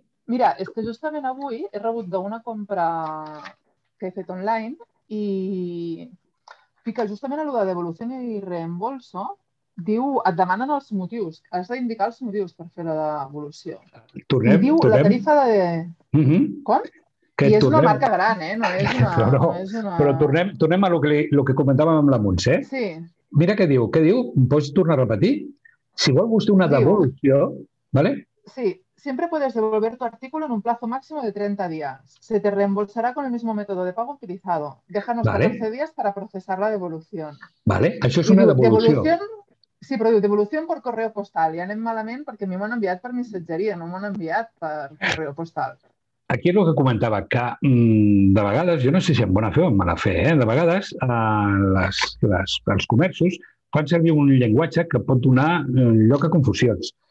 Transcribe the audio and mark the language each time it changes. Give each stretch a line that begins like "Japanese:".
Catalan: Mira, és que justament avui he rebut d'una compra que he fet online i fica justament a lo de devolució i reembolso, diu, et demanen els motius, has d'indicar els motius per fer la devolució. Tornem, diu, tornem. La tarifa de... Com? Que I és tornem... una marca gran, eh? No és una... Però, no. No és una... Però tornem a lo que comentàvem amb la Montse. Sí. Mira què diu. Què diu? Em pots tornar a repetir? Si vol vostè una devolució, ¿vale? Sí.
Spanish: Siempre puedes devolver tu artículo en un plazo máximo de 30 días. Se te reembolsará con el mismo método de pago utilizado. Déjanos, ¿vale?, 14 días para procesar la devolución.
Catalan: Vale. Això és una devolució. Sí, però diu, devolució per correu postal. I anem malament perquè a mi m'han enviat per missatgeria, no m'han enviat per correu postal. Aquí és el que comentava, que de vegades, jo no sé si en bona fe o en mala fe, de vegades els comerços fan servir un llenguatge que pot donar lloc a confusions.